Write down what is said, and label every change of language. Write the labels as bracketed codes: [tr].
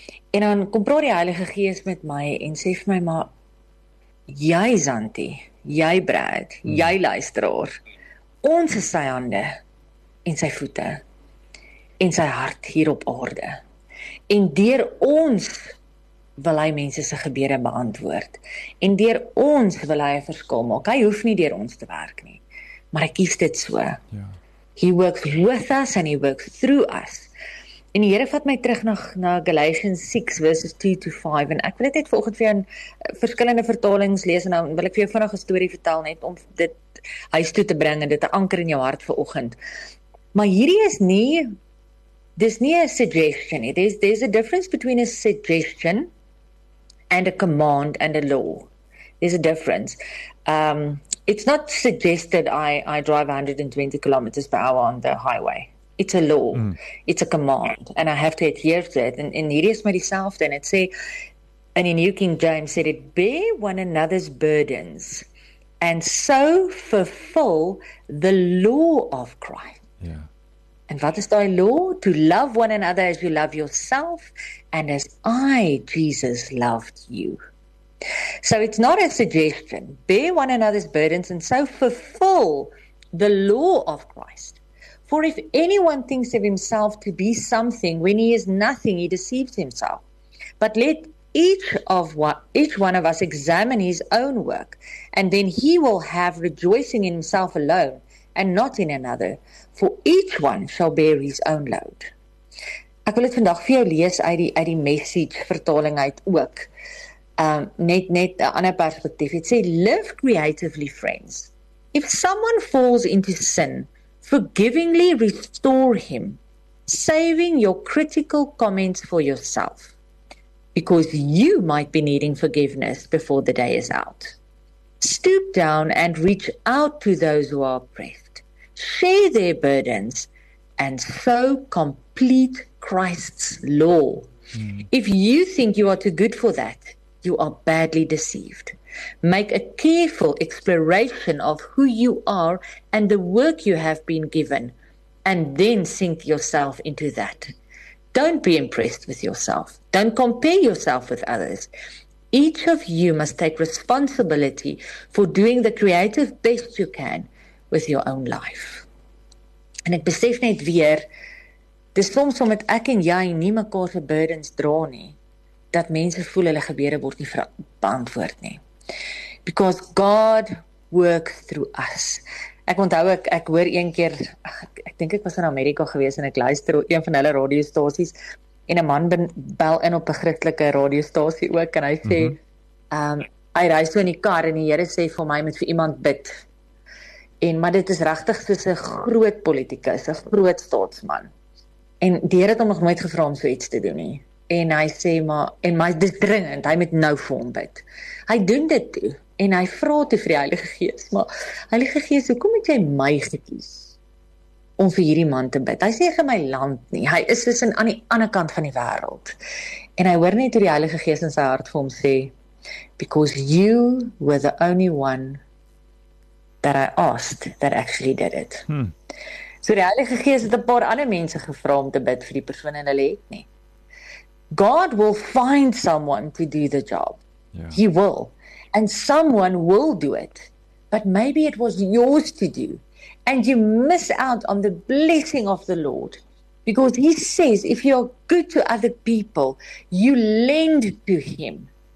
[af] En dan kom praat die Heilige Gees met my en sê vir my, maar jy Zanti, jy Brad, jy luisteraar, ons is sy hande en sy voete en sy hart hier op aarde. En deur ons wil hy mense se gebede beantwoord. En deur ons wil hy 'n verskil maak. Hy hoef nie deur ons te werk nie. Maar ek kies dit so. Yeah. [en] He works with us and he works through us. [af] En die Here vat my terug na Galatians 6 verses 2-5 en ek wil dit net vanoggend vir jou in verskillende vertalings lees en nou wil ek vir jou vinnig 'n storie vertel net om dit huis toe te bring en dit te anker in jou hart vanoggend. Maar hierdie is nie, dis nie 'n suggestion nie. [en] There's a difference between a suggestion and a command and a law. There's a difference. It's not suggested I drive 120 kilometers per hour on the highway. It's a law. Mm. It's a command. And I have to adhere to it. [af] And hierdie is my dieselfde. [en] And it say, and in New King James said it, bear one another's burdens and so fulfill the law of Christ. Yeah. And wat is thy law? To love one another as you love yourself and as I, Jesus, loved you. So it's not a suggestion. Bear one another's burdens and so fulfill the law of Christ. For if anyone thinks of himself to be something when he is nothing, he deceives himself. But let each one of us examine his own work, and then he will have rejoicing in himself alone and not in another. For each one shall bear his own load. [af] Ek wil dit vandag vir jou lees uit die Message vertaling uit ook. Net 'n ander perspektief. [en] It says, live creatively, friends. If someone falls into sin, forgivingly restore him, saving your critical comments for yourself, because you might be needing forgiveness before the day is out. Stoop down and reach out to those who are oppressed. Share their burdens and so complete Christ's law. If you think you are too good for that, you are badly deceived. Make a careful exploration of who you are and the work you have been given, and then sink yourself into that. Don't be impressed with yourself. Don't compare yourself with others. Each of you must take responsibility for doing the creative best you can with your own life. [af] En ek besef net weer, dis soms omdat ek en jy nie mekaar se burdens dra nie, dat mense voel hulle gebede word nie beantwoord nie. [en] Because God work through us. [af] Ek onthou ek hoor een keer, ek dink ek was in Amerika gewees en ek luister een van hulle radiostasies en 'n man bel in op 'n Christelike radiostasie ook en hy sê, hy ry so in die kar en die Here sê vir my moet vir iemand bid. En maar dit is regtig soos 'n groot politikus, 'n groot staatsman. En die Here het hom nog nooit gevra om so iets te doen nie. En hy sê maar, en my dis dringend, hy moet nou vir hom bid. Hy doen dit toe en hy vra toe vir die Heilige Gees, maar Heilige Gees, hoekom het jy my gekies om vir hierdie man te bid? Hy sê vir my land nie, hy is dus aan die ander kant van die wêreld. En hy hoor net toe die Heilige Gees in sy hart vir hom sê, [en] because you were the only one that I asked that actually did it. [af] So die Heilige Gees het 'n paar ander mense gevra om te bid vir die persoon en hulle het nie. [en] God will find someone to do the job. Yeah. He will. And someone will do it. But maybe it was yours to do. And you miss out on the blessing of the Lord. Because he says, if you're good to other people, you lend to him.